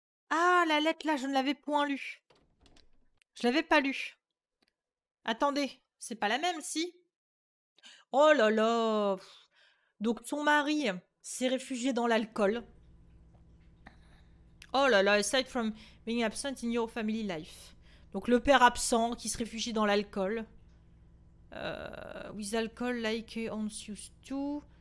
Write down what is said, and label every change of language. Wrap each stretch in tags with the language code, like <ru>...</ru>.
<fr>Ah, la lettre là, je ne l'avais point lue. Je l'avais pas lue. Attendez, c'est pas la même, si? Oh là là! Donc son mari s'est réfugié dans l'alcool.</fr> <en>Oh là là, aside from being absent in your family life.</en> <fr>Donc le père absent qui se réfugie dans l'alcool.</fr> <en>With alcohol like he once used to.</en>